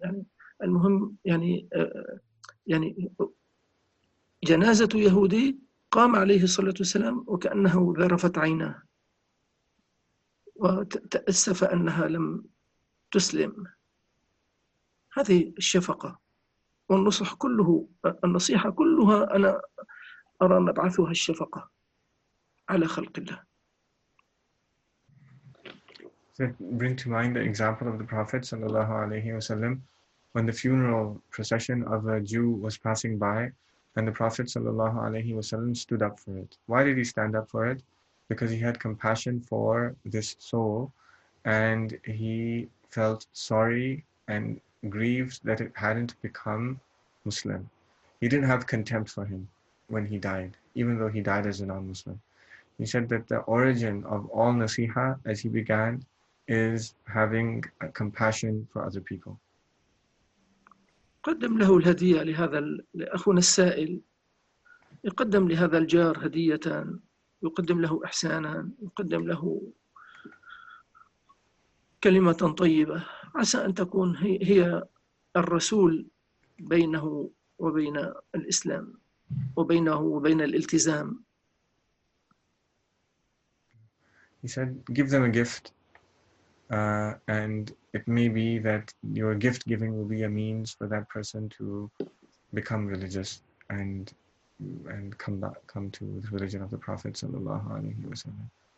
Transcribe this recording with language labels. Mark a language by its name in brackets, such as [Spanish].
[Arabic] يعني المهم يعني جنازة يهودي قام عليه الصلاة والسلام وكأنه ذرفت عيناه وتأسف أنها لم تسلم. هذه الشفقة والنصح كله، النصيحة كلها أنا أرى مبعثها الشفقة على خلق الله. [English] bring to mind the example of the Prophet sallallahu alaihi wasallam, when the funeral procession of a Jew was passing by, and the Prophet sallallahu alaihi wasallam stood up for it. Why did he stand up for it? Because he had compassion for this soul, and he felt sorry and grieved that it hadn't become Muslim. He didn't have contempt for him when he died, even though he died as a non-Muslim. He said that the origin of all nasiha, as he began, is having a compassion for other people. [Arabic] قدم له الهدية لهذا لأخونا السائل. يقدم لهذا الجار هدية. يقدم له إحسانا. يقدم له كلمة طيبة. عسى أن تكون هي الرسول بينه وبين الإسلام وبينه وبين الالتزام. [English] He said, give them a gift. And it may be that your gift giving will be a means for that person to become religious and come back, come to the religion of the Prophet sallallahu alaihi wasallam.